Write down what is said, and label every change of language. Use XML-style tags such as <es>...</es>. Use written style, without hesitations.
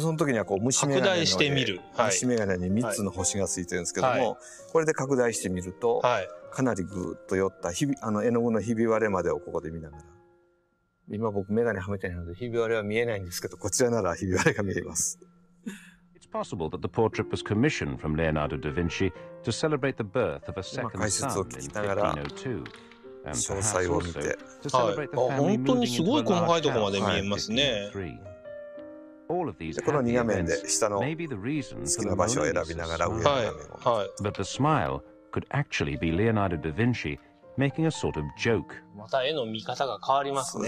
<ja>その時にはこう虫眼鏡の拡大してみる、はい、虫眼鏡に3つの星がついてるんですけども、はい、これで拡大してみると、はい、かなりぐーっと寄った絵の具のひび割れまでをここで見ながら、今僕眼鏡はめてないのでひび割れは見えないんですけど、こちらならひび割れが見えます。</ja> <en>Possible that the portrait was commissioned from Leonardo da Vinci to celebrate the birth of a second son in 1502.</en> <ja>詳細を見て、はい、あ、本当にすごい細かいところまで見えますね、はい、でこの2画面で下の好きな場所を選びながら上の画面を、はい、</ja> <en>But the smile could actually be Leonardo da Vinci making a sort of joke。</en> <ja>また絵の見方が変わりますね。</ja>